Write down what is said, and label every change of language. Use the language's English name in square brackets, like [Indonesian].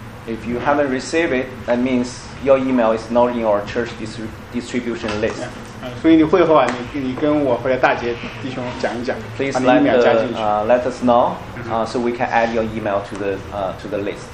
[English] If you haven't received it, that means your email is not in our church distribution list. [Chinese] 所以你会后啊，你跟我或者大姐弟兄讲一讲。 [English] Please let us know, so we can add your email to the list.